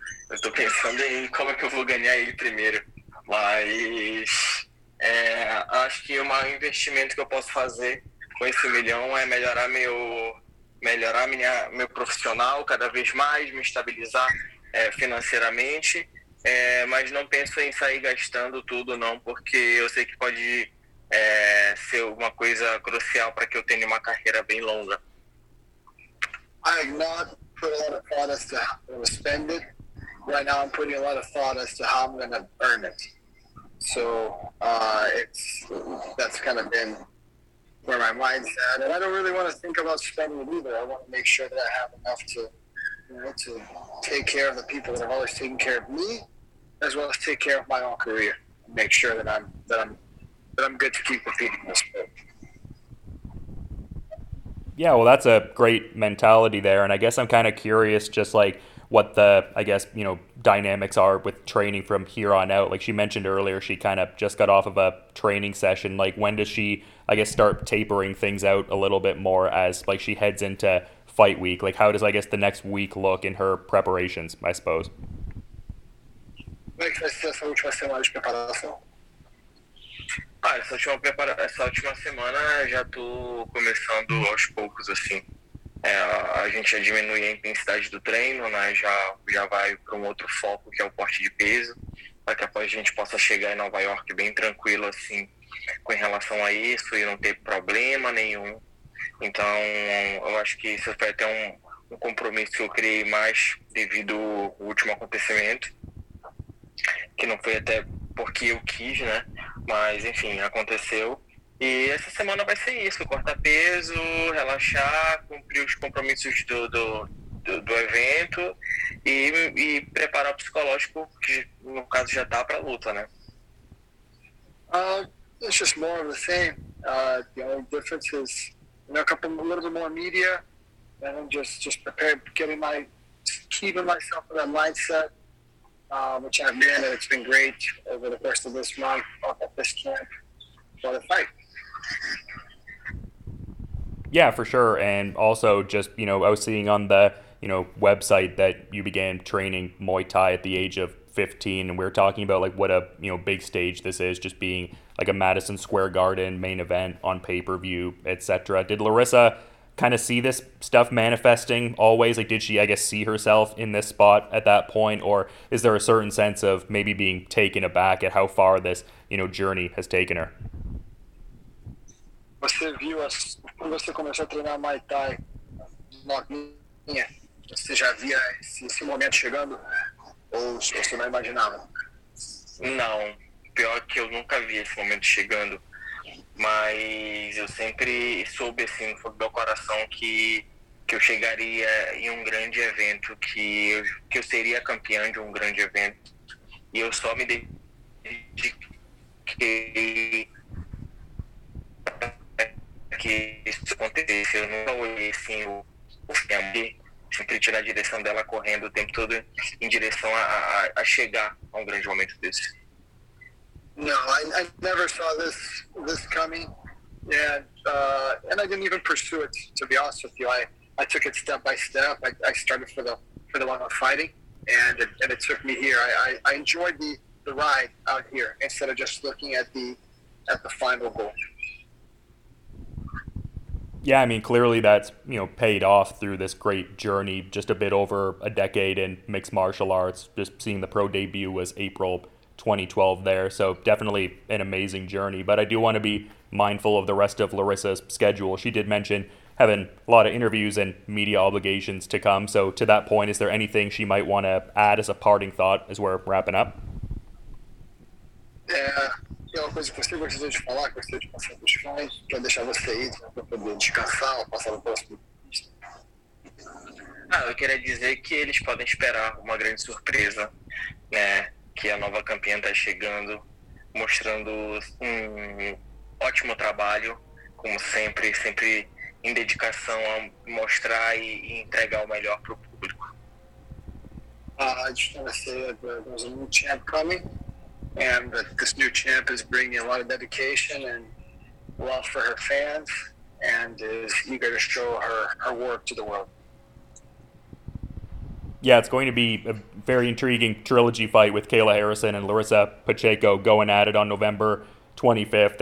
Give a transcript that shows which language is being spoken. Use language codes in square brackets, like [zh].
[pt] Eu estou pensando em como é que eu vou ganhar ele primeiro. Mas acho que o maior investimento que eu posso fazer com esse 1 milhão é melhorar meu profissional cada vez mais, me estabilizar financeiramente. Mas não penso em sair gastando tudo, não, porque eu sei que pode ser uma coisa crucial para que eu tenha uma carreira bem longa. [en] I have not put a lot of thought as to how I'm going to spend it. Right now, I'm putting a lot of thought as to how I'm going to earn it. So that's kind of been where my mind's at, and I don't really want to think about spending it either. I want to make sure that I have enough to take care of the people that have always taken care of me, as well as take care of my own career, and make sure that I'm good to keep competing in this sport. Yeah, well, that's a great mentality there. And I guess I'm kind of curious, just like, what the, I guess, you know, dynamics are with training from here on out. Like she mentioned earlier, she kind of just got off of a training session. Like when does she, I guess, start tapering things out a little bit more as like she heads into fight week? Like how does, I guess, the next week look in her preparations, I suppose? [pt] Como é que vai ser essa última semana de preparação? Ah, essa última semana já tô começando aos poucos, assim. A gente já diminui a intensidade do treino, né? Já vai para um outro foco, que é o corte de peso, para que após a gente possa chegar em Nova York bem tranquilo, assim, com relação a isso e não ter problema nenhum. Então, eu acho que isso foi até um compromisso que eu criei mais devido ao último acontecimento. Que não foi até porque eu quis, né? Mas enfim, aconteceu. E essa semana vai ser isso: cortar peso, relaxar, cumprir os compromissos do evento e preparar o psicológico, que no caso já tá para luta, né? [en] It's just more of the same. The only difference is, a couple, a little bit more media, and just prepared, getting my, just keeping myself in that mindset, which I've been, and it's been great over the course of this month at this camp for the fight. Yeah, for sure. And also just, you know, I was seeing on the, you know, website that you began training Muay Thai at the age of 15, and we were talking about like what a, you know, big stage this is, just being like a Madison Square Garden main event on pay-per-view, etc. Did Larissa kind of see this stuff manifesting always? Like, did she, I guess, see herself in this spot at that point, or is there a certain sense of maybe being taken aback at how far this, you know, journey has taken her? [pt] Você viu, quando você começou a treinar Muay Thai, novinha, você já via esse momento chegando? Ou você não imaginava? Não, pior que eu nunca vi esse momento chegando, mas eu sempre soube assim no fundo do meu coração que eu chegaria em um grande evento, que eu seria campeão de um grande evento, e eu só me dediquei que isso acontecesse. Eu nunca olhei assim o filme, sempre tirar a direção dela correndo o tempo todo em direção a chegar a um grande momento desse. [en] No, I never saw this coming, and I didn't even pursue it, to be honest with you. I took it step by step. I started for the love of fighting, and it took me here. I enjoyed the ride out here instead of just looking at the final goal. Yeah, I mean, clearly that's, you know, paid off through this great journey, just a bit over a decade in mixed martial arts. Just seeing the pro debut was April 2012 there. So definitely an amazing journey. But I do want to be mindful of the rest of Larissa's schedule. She did mention having a lot of interviews and media obligations to come. So to that point, is there anything she might want to add as a parting thought as we're wrapping up? [pt] Uma coisa que você gostaria de falar, gostaria de passar para os fãs, quero deixar você aí para poder descansar ou passar no próximo. Ah, eu queria dizer que eles podem esperar uma grande surpresa, né? Que a nova campeã está chegando, mostrando um ótimo trabalho, como sempre, sempre em dedicação a mostrar e entregar o melhor para o público. [en] I just want to say that there's a new champ coming. And this new champ is bringing a lot of dedication and love for her fans, and is eager to show her work to the world. Yeah, it's going to be a very intriguing trilogy fight with Kayla Harrison and Larissa Pacheco going at it on November 25th.